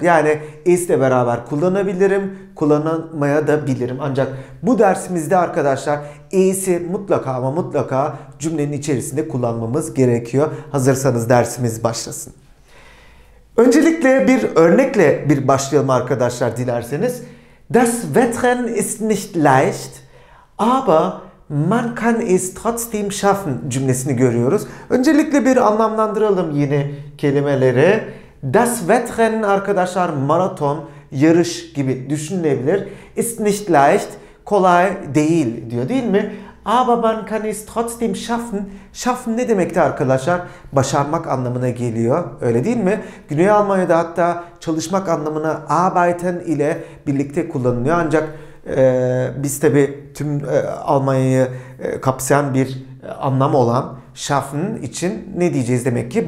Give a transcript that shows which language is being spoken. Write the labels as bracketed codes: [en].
[tr] Yani is'le beraber kullanabilirim, kullanmaya da bilirim. Ancak bu dersimizde arkadaşlar is'i mutlaka ama mutlaka cümlenin içerisinde kullanmamız gerekiyor. Hazırsanız dersimiz başlasın. Öncelikle bir örnekle bir başlayalım arkadaşlar dilerseniz. [de] Das Wetter ist nicht leicht, aber man kann es trotzdem schaffen [tr] cümlesini görüyoruz. Öncelikle bir anlamlandıralım yine kelimeleri. Das Wetter arkadaşlar maraton, yarış gibi düşünülebilir. [de] Ist nicht leicht, [tr] kolay değil diyor değil mi? [de] Aber man kann es trotzdem schaffen. [tr] Schaffen ne demekti arkadaşlar? Başarmak anlamına geliyor. Öyle değil mi? Güney Almanya'da hatta çalışmak anlamına arbeiten ile birlikte kullanılıyor. Ancak biz tabi tüm Almanya'yı kapsayan bir anlam olan schaffen için ne diyeceğiz demek ki?